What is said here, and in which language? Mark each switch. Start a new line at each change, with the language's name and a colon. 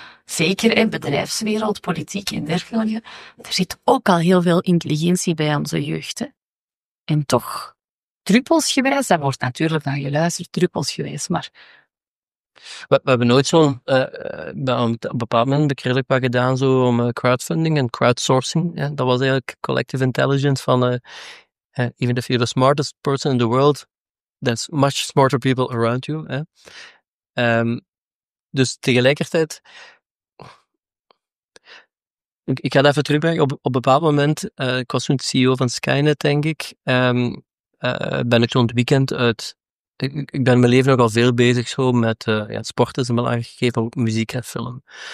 Dutch: Zeker in bedrijfswereld, politiek en dergelijke. Er zit ook al heel veel intelligentie bij onze jeugd. Hè? En toch, druppelsgewijs, dat wordt natuurlijk naar geluisterd, druppelsgewijs, maar... We hebben nooit zo'n... op een bepaald moment heb ik redelijk wat gedaan zo om crowdfunding en crowdsourcing. Ja? Dat was eigenlijk collective intelligence van...
English: even if you're the smartest person in the world, there's much smarter people around you. Hè?
Dutch: Dus tegelijkertijd, ik ga dat even terugbrengen. Op een bepaald moment, ik was toen CEO van Skynet, denk ik, ben ik zo'n weekend uit. Ik ben mijn leven nogal veel bezig zo met sport is een belangrijk gegeven, ook muziek en film.